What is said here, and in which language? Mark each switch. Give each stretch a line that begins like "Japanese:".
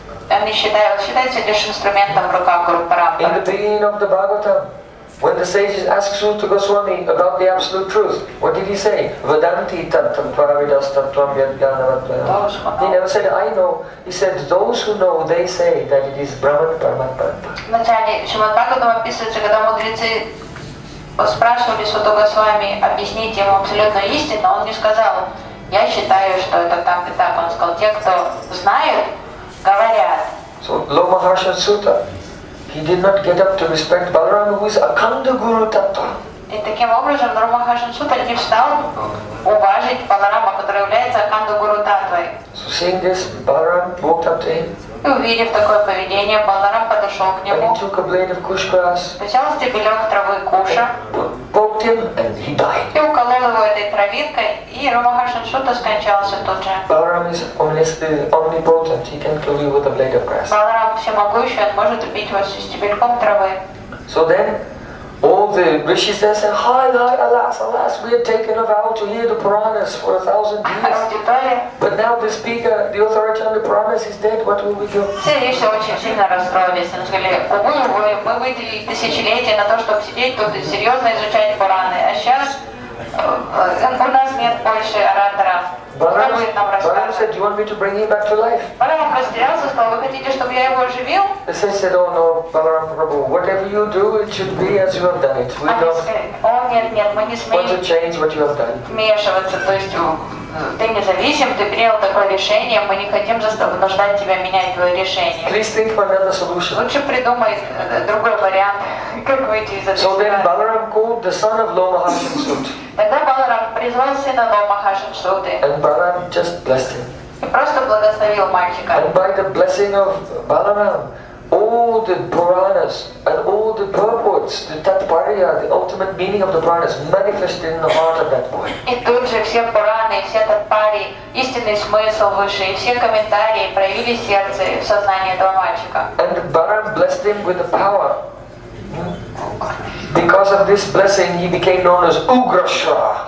Russian: Он считается лишь инструментом в руках Guru Parampara.
English: In the beginning of the Bhagavatam, when the sages asked Sutta Goswami about the absolute truth, what did he say?
Sanskrit: Vedanti tattam paravidas tattvam yadganavatvam.
English: He never said, I know. He said, those who know, they say that it is Brahman Paramatma.
Russian: Вначале Шримад Бхагаватам описывается, когда мудрецы спрашивали Сутту Госвами объяснить ему абсолютную истину, он не сказал, я считаю, что это так и так. Он сказал, те, кто знают, говорят.
English: So Lord Maharsha Sutta, he did not get up to respect Balaram, who is Akanda Guru Tattva.
Russian: И таким образом Лорд Махарша Сута не встал уважить Баларама, который является Аканда Гуру Таттвой.
English: So seeing this, Balaram walked up to him.
Russian: И увидев такое поведение, Баларам подошел к нему.
English: And he took a blade of kush grass.
Russian: Взял стебелек травы куша.
English: Poked him and he died.
Russian: И уколол его этой травинкой, и Лорд Махарша Сута скончался тот же.
English: Balaram is omnipotent. He can kill you with a blade of grass.
Russian: Баларам всемогущий, он может убить вас стебельком травы.
English: So then. All the rishis there say, "Hi, hi, alas, alas, we had taken a vow to hear the Puranas for 1,000 years. But now the speaker, the authority on the Puranas is dead, what will we do?"
Russian: Все риши очень сильно расстроились. Они сказали, мы выделили тысячелетия на то, чтобы сидеть тут и серьезно изучать Пураны. А сейчас у нас нет больше ораторов.
English: Balaram said, "Do you want me to bring him back to life?"
Russian: Balaram растерялся, сказал, "Вы хотите, чтобы я его оживил?"
English: The sage said, "Oh no, Balaram Prabhu, whatever you do, it should be as you have done it. We don't want to change what you have done."
Russian: Вмешиваться, то есть ты независим, ты принял такое решение, мы не хотим вынуждать тебя менять твое решение.
English: Please think of another solution.
Russian: Лучше придумай другой вариант, как выйти из этого.
English: So then Balaram called the son of Lord Mahashansut.
Russian: Тогда Баларам призвал сына Лорд Махашинсуты.
English: And Balaram just blessed him.
Russian: И просто благословил мальчика.
English: And by the blessing of Balaram, all the Puranas and all the purports, the Tatparya, the ultimate meaning of the Puranas, manifested in the heart of that boy.
Russian: И тут же все Пураны, все Татпари, истинный смысл выше, и все комментарии проявили сердце в сознании этого мальчика.
English: And Balaram blessed him with the power. Because of this blessing, he became known as Ugrashrava.